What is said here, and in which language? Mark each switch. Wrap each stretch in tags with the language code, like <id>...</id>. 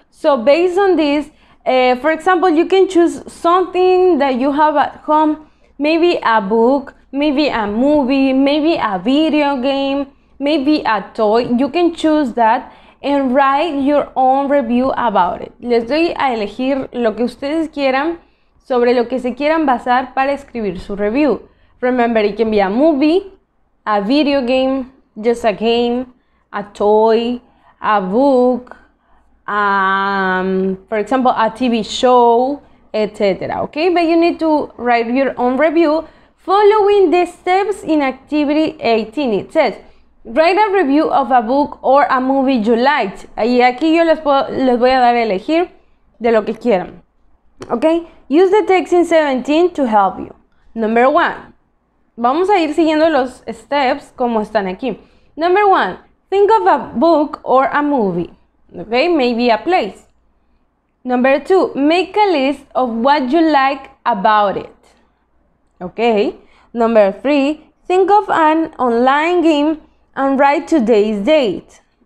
<en>So based on this, for example, you can choose something that you have at home, maybe a book, maybe a movie, maybe a video game, maybe a toy. You can choose that and write your own review about it.</en> <es>Les doy a elegir lo que ustedes quieran sobre lo que se quieran basar para escribir su review.</es> <en>Remember, it can be a movie, a video game, just a game, a toy, a book, for example, a TV show, etc. Okay, but you need to write your own review following the steps in activity 18. It says, write a review of a book or a movie you liked.</en> <es>Y aquí yo les voy a dar a elegir de lo que quieran.</es> <en>Okay, use the text in 17 to help you. Number one,</en> <es>vamos a ir siguiendo los steps como están aquí.</es> <en>Number one, think of a book or a movie. Okay, maybe a place. Number two, make a list of what you like about it. Okay, number three, think of an online game and write today's date.</en>